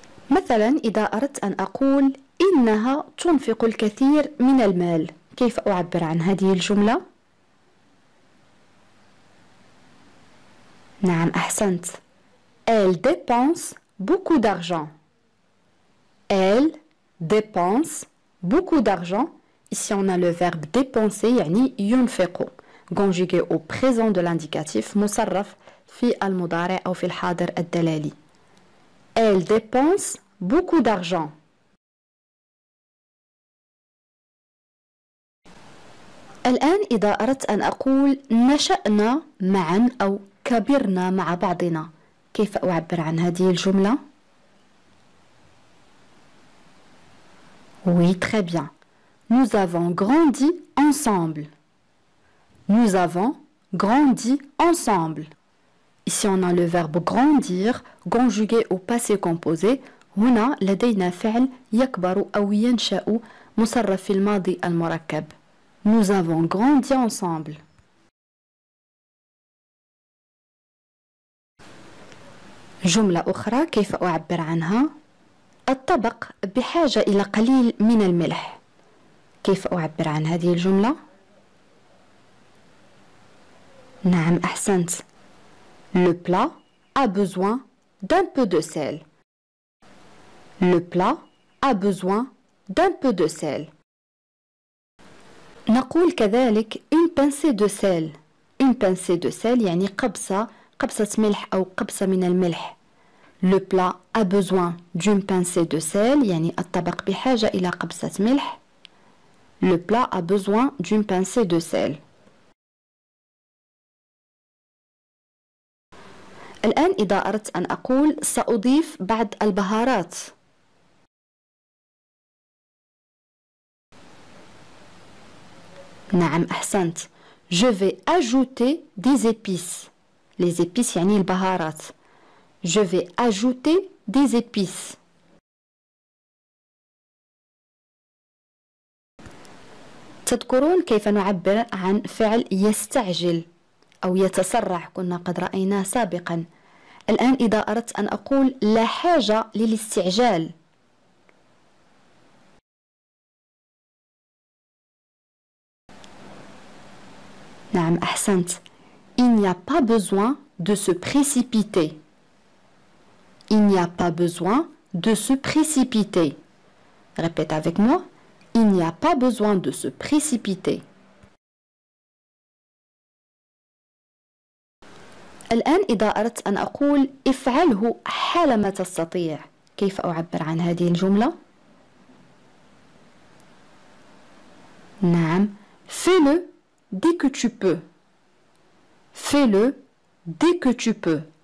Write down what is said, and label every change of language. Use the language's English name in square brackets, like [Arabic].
[Arabic] مثلا إذا أردت أن أقول إنها تنفق الكثير من المال. كيف أعبر عن هذه الجملة؟ نعم أحسنت. [French] Elle dépense beaucoup d'argent. Elle dépense beaucoup d'argent. Ici on a le verbe dépenser, [Arabic] يعني ينفق. [French] Conjugué au présent de l'indicatif [Arabic] مصرف في المضارع أو في الحاضر الدلالي. [French] Elle dépense beaucoup d'argent. [Arabic] الآن إذا أردت أن أقول نشأنا معا أو كبرنا مع بعضنا، كيف أعبر عن هذه الجملة؟ [French] Oui, très bien. Nous avons grandi ensemble. Nous avons grandi ensemble. Ici, on a le verbe grandir, conjugué au passé composé. [Arabic] هنا لدينا فعل يكبر أو ينشأ مصرف في الماضي المركب. [French] Nous avons grandi ensemble. [Arabic] جملة أخرى كيف أعبر عنها؟ الطبق بحاجة إلى قليل من الملح. كيف أعبر عن هذه الجملة؟ نعم أحسنت. [French] Le plat a besoin d'un peu de sel. Le plat a besoin d'un peu de sel. [Arabic] نقول كذلك [French] une pincée de sel. Une pincée de sel [Arabic] يعني قبصة، قبصة ملح أو قبصة من الملح. [French] Le plat a besoin d'une pincée de sel, [Arabic] يعني الطبق بحاجة إلى قبصة ملح. [French] Le plat a besoin d'une pincée de sel. [Arabic] الآن إذا أردت أن أقول سأضيف بعض البهارات. نعم أحسنت. [French] Je vais ajouter des épices. Les épices [Arabic] يعني البهارات. [French] Je vais ajouter des épices. [Arabic] تذكرون كيف نعبر عن فعل يستعجل أو يتسرع، كنا قد رأيناه سابقا. الآن إذا أردت أن أقول لا حاجة للاستعجال. نعم أحسنت. [French] Il n'y a pas besoin de se précipiter. Il n'y a pas besoin de se précipiter. Répète avec moi. Il n'y a pas besoin de se précipiter. [Arabic] الآن إذا أردت أن أقول افعله حالما تستطيع، كيف أعبر عن هذه الجملة؟ نعم. [French] Fais-le dès que tu peux. Fais-le dès que tu peux.